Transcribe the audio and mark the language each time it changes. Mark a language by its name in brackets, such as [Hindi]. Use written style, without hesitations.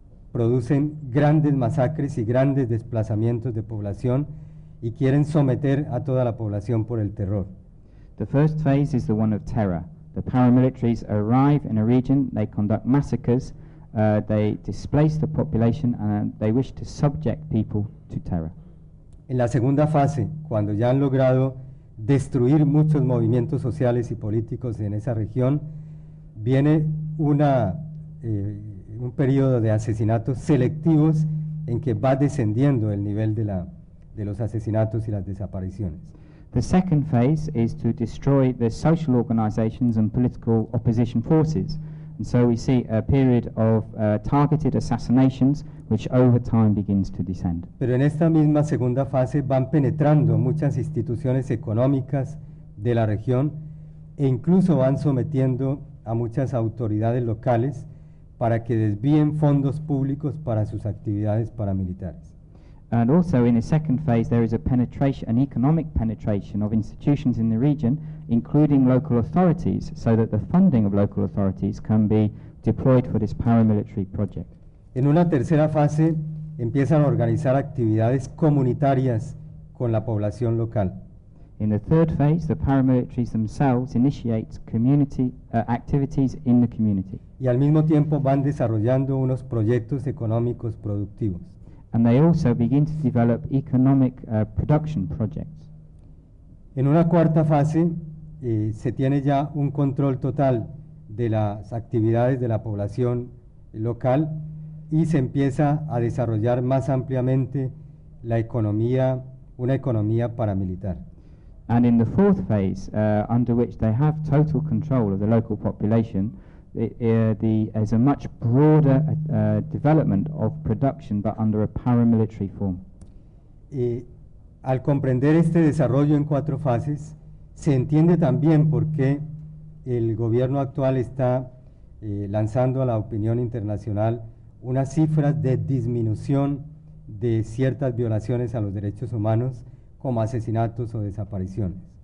[Spanish] Producen grandes masacres y grandes desplazamientos de población y quieren someter a toda la población por el terror. [English] The first phase is the one of terror. The paramilitaries arrive in a region, they conduct massacres, they displace the population, and they wish to subject people to terror. [Spanish] En la segunda fase, cuando ya han logrado destruir muchos movimientos sociales y políticos en esa región, viene un periodo de asesinatos selectivos en que va descendiendo el nivel de los asesinatos y las desapariciones. [English] The second phase is to destroy the social organizations and political opposition forces. And so we see a period of targeted assassinations which over time begins to descend. [Spanish] Pero en esta misma segunda fase van penetrando muchas instituciones económicas de la región e incluso van sometiendo a muchas autoridades locales para que desvíen fondos públicos para sus actividades paramilitares. [English] And also in the second phase there is a penetration, an economic penetration of institutions in the region, including local authorities, so that the funding of local authorities can be deployed for this paramilitary project. [Spanish] En una tercera fase empiezan a organizar actividades comunitarias con la población local. [English] In the third phase, the paramilitaries themselves initiate community activities in the community. [Spanish] Y al mismo tiempo van desarrollando unos proyectos económicos productivos. [English] And they also begin to develop economic production projects. [Spanish] En una cuarta fase, se tiene ya un control total de las actividades de la población local y se empieza a desarrollar más ampliamente la economía, una economía paramilitar. [English] And in the fourth phase, under which they have total control of the local population, there's a much broader development of production, but under a paramilitary form. [Spanish] Y al comprender este desarrollo en cuatro fases, se entiende también por qué el gobierno actual está lanzando a la opinión internacional unas cifras de disminución de ciertas violaciones a los derechos humanos, como asesinatos o desapariciones.